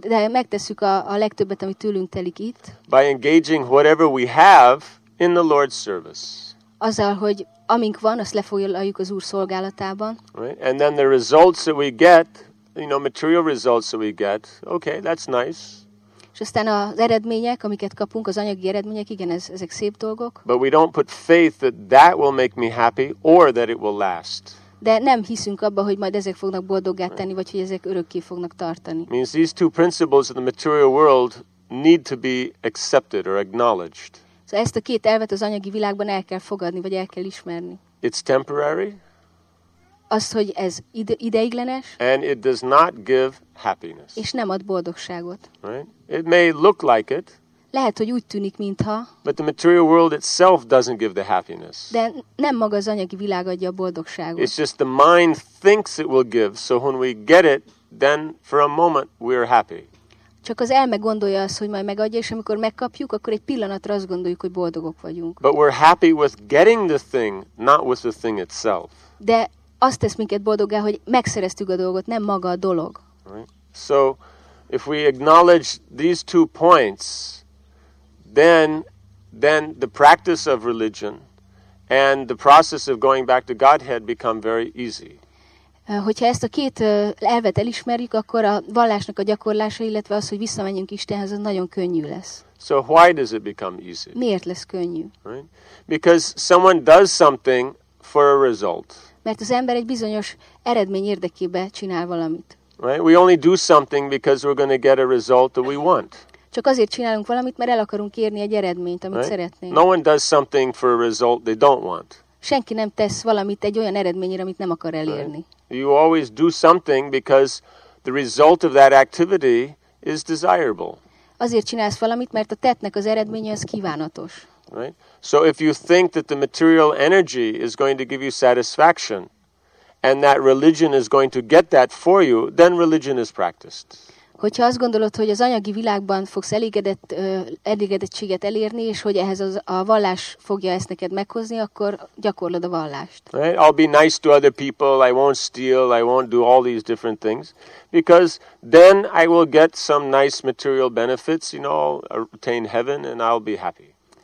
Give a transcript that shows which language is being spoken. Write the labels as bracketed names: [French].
[Hungarian] Megtesszük a legtöbbet, ami tőlünk telik itt. [English] By engaging whatever we have in the Lord's service. [Hungarian] Azzal, hogy amink van, azt lefoglaljuk az Úr szolgálatában. [English] Right? And then the results that we get, you know, material results that we get, okay, that's nice. [Hungarian] És aztán az eredmények, amiket kapunk, az anyagi eredmények, igen, ezek szép dolgok. [English] But we don't put faith that that will make me happy or that it will last. [Hungarian] De nem hiszünk abba, hogy majd ezek fognak boldoggá tenni, vagy hogy ezek örökké fognak tartani. [English] Means these two principles of the material world need to be accepted or acknowledged. [Hungarian] Szóval ezt a két elvet az anyagi világban el kell fogadni, vagy el kell ismerni. [English] It's temporary. [Hungarian] Azt, hogy ez ideiglenes. [English] And it does not give happiness. [Hungarian] És nem ad boldogságot. [English] Right? It may look like it. [Hungarian] Lehet, hogy úgy tűnik, mintha. [English] But the material world itself doesn't give the happiness. [Hungarian] De nem maga az anyagi világ adja a boldogságot. [English] It's just the mind thinks it will give, so when we get it, then for a moment we are happy. [Hungarian] Csak az elme gondolja azt, hogy majd megadja, és amikor megkapjuk, akkor egy pillanatra azt gondoljuk, hogy boldogok vagyunk. [English] But we're happy with getting the thing, not with the thing itself. [Hungarian] De azt tesz minket boldoggá, hogy megszereztük a dolgot, nem maga a dolog. [English] Right. So, if we acknowledge these two points, then the practice of religion and the process of going back to Godhead become very easy. [Hungarian] Hogyha ezt a két elvet elismerjük, akkor a vallásnak a gyakorlása, illetve az, hogy visszamenjünk Istenhez, az nagyon könnyű lesz. [English] So why does it become easy? [Hungarian] Miért lesz könnyű? [English] Right? Because someone does something for a result. [Hungarian] Mert az ember egy bizonyos eredmény érdekében csinál valamit. [English] Right? We only do something because we're going to get a result that we want. [Hungarian] Csak azért csinálunk valamit, mert el akarunk érni egy eredményt, amit [English] right? [Hungarian] szeretnénk. [English] No one does something for a result they don't want. [Hungarian] Senki nem tesz valamit egy olyan eredményre, amit nem akar elérni. [English] Right? You always do something because the result of that activity is desirable. [Hungarian] Azért csinálsz valamit, mert a tettnek az eredménye az kívánatos. [English] Right? So if you think that the material energy is going to give you satisfaction and that religion is going to get that for you, then religion is practiced. [Hungarian] Hogyha azt gondolod, hogy az anyagi világban fogsz elégedettséget elérni, és hogy ehhez a vallás fogja ezt neked meghozni, akkor gyakorlod a vallást. [English] Right? I'll be nice to other people, I won't steal, I won't do all these different things, because then I will get some nice material benefits, you know, I'll attain heaven and I'll be happy.